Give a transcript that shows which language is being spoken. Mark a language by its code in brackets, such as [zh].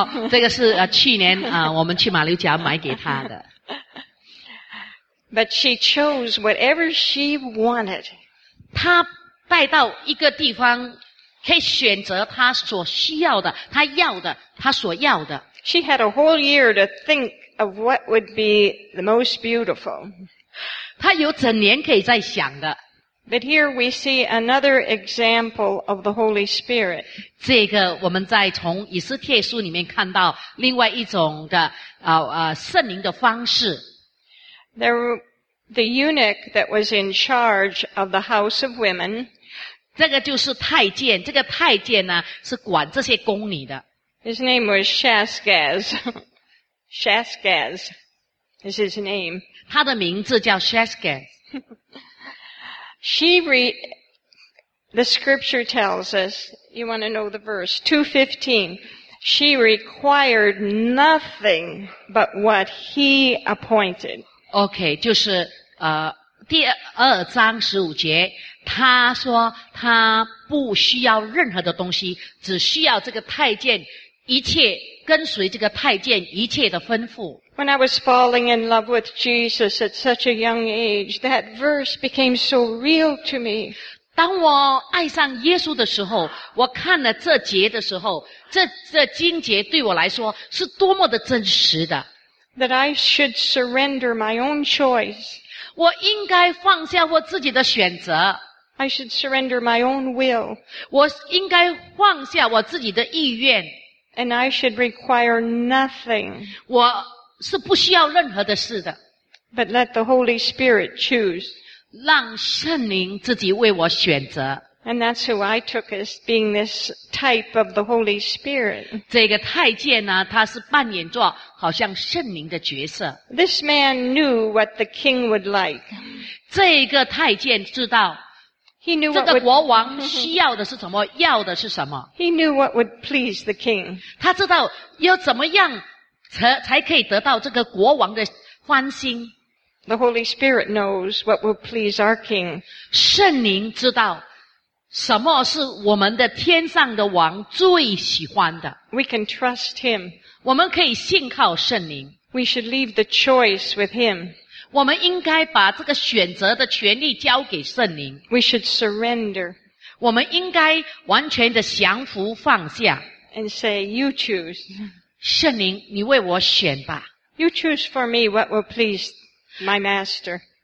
[zh] 这个是去年我们去马六甲买给他的。 [en] But she chose whatever she wanted. [zh] 她带到一个地方，可以选择她所需要的，她要的，她所要的。 [en] She had a whole year to think of what would be the most beautiful. [zh] 他有整年可以在想的。 [en] But here we see another example of the Holy Spirit. [zh] 这个我们在从以斯帖书里面看到另外一种的圣灵的方式。 [en] The eunuch that was in charge of the house of women. [zh] 这个就是太监，这个太监呢是管这些宫女的。 [en] His name was Shaskaz. Shaskaz is his name. [zh] 他的名字叫 Shaskaz. [en] The scripture tells us, you want to know the verse, 2:15. She required nothing but what he appointed. [zh] Okay, 就是第二章十五节，他说他不需要任何的东西，只需要这个太监一切跟随这个太监一切的吩咐。 [en] When I was falling in love with Jesus at such a young age, that verse became so real to me. [zh] 当我爱上耶稣的时候，我看了这节的时候，这经节对我来说是多么的真实的。 [en] That I should surrender my own choice. [zh] 我应该放下我自己的选择。 [en] I should surrender my own will. [zh] 我应该放下我自己的意愿。 [en] And I should require nothing. [zh] 我是不需要任何的事的。 [en] But let the Holy Spirit choose. [zh] 让圣灵自己为我选择。 [en] And that's who I took as being this type of the Holy Spirit. [zh] 这个太监呢，他是扮演着好像圣灵的角色。 [en] This man knew what the king would like. [zh] 这个太监知道。 [en] He knew what [zh] 这个国王需要的是什么，要的是什么。 [en] He knew what would please the king. [zh] 他知道要怎么样才可以得到这个国王的欢心。 [en] The Holy Spirit knows what will please our king. [zh] 圣灵知道什么是我们的天上的王最喜欢的。 [en] We can trust him. [zh] 我们可以信靠圣灵。 [en] We should leave the choice with him. [zh] 我们应该把这个选择的权利交给圣灵。 [en] We should surrender. [zh] 我们应该完全的降服放下。 [en] And say, you choose. [zh] 圣灵，你为我选吧。 [en] You choose for me what will please my master.